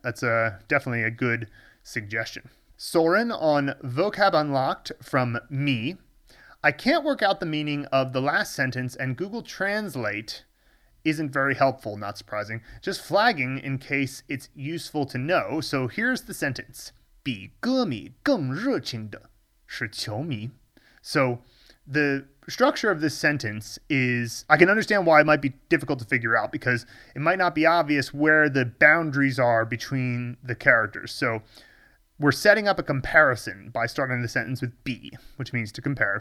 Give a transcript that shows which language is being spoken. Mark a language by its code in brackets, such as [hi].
[en] That's definitely a good suggestion. Soren on Vocab Unlocked from me. I can't work out the meaning of the last sentence, and Google Translate isn't very helpful, not surprising. Just flagging in case it's useful to know. So here's the sentence. [zh] 比歌迷更热情的是球迷. [en] So the structure of this sentence is, I can understand why it might be difficult to figure out, because it might not be obvious where the boundaries are between the characters. So we're setting up a comparison by starting the sentence with B, which means to compare.